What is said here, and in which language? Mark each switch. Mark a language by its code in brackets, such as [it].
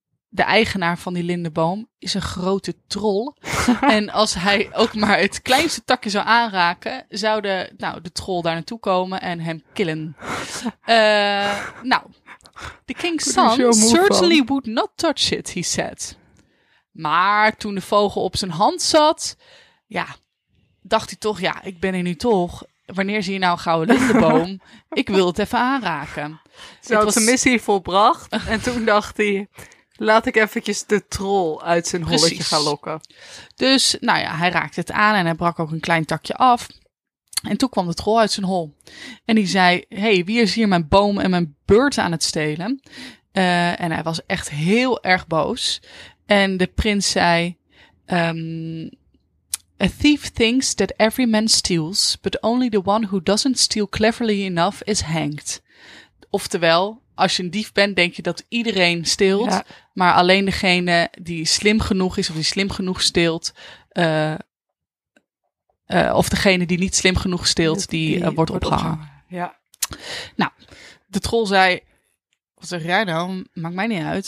[nl] De eigenaar van die lindeboom is een grote trol. En als hij ook maar het kleinste takje zou aanraken, zou de trol daar naartoe komen en hem killen. [en] The king's son certainly would not touch it, he said. [nl] Maar toen de vogel op zijn hand zat, ja, dacht hij toch, ja, ik ben er nu toch. Wanneer zie je nou een gouden lindeboom? Ik wil het even aanraken. Ze had zijn missie volbracht en toen dacht hij... Laat ik eventjes de trol uit zijn holletje gaan lokken. Dus, nou ja, hij raakte het aan en hij brak ook een klein takje af. En toen kwam de trol uit zijn hol. En die zei, hey, wie is hier mijn boom en mijn beurt aan het stelen? En hij was echt heel erg boos. En de prins zei, [en] a thief thinks that every man steals, but only the one who doesn't steal cleverly enough is hanged. [nl] Oftewel... Als je een dief bent, denk je dat iedereen steelt. Ja. Maar alleen degene die slim genoeg is of die slim genoeg steelt. Of degene die niet slim genoeg steelt, die wordt opgehangen. Ja. Nou, de trol zei... Wat zeg jij nou? Maakt mij niet uit.